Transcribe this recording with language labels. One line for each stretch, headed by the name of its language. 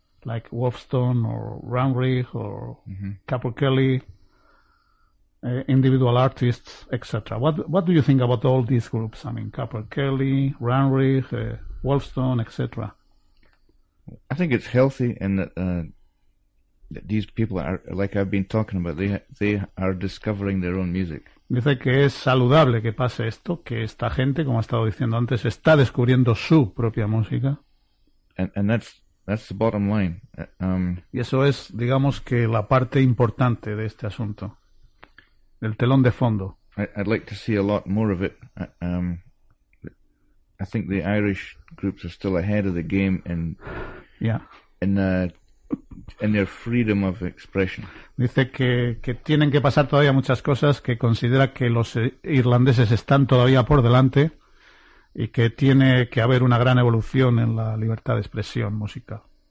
English: Like Wolfstone or Ramrig or mm-hmm. Capo Kelly, individual artists, etc. What do you think about all these groups? I mean, Capo Kelly, Ramrig, Wolfstone, etc. I think it's healthy in that these people are, like I've been talking about, they are discovering their own music.
Spanish: Dice que es saludable que pase esto, que esta gente, como ha estado diciendo antes, está descubriendo su propia música.
English: And that's the bottom line.
Spanish: Y eso es, digamos, que la parte importante de este asunto. El telón de fondo.
English: I'd like to see a lot more of it. I think the Irish groups are still ahead of the game in their freedom of expression.
Spanish: Dice que tienen que pasar todavía muchas cosas, que considera que los irlandeses están todavía por delante. Y que tiene que haber una gran evolución en la libertad de expresión musical.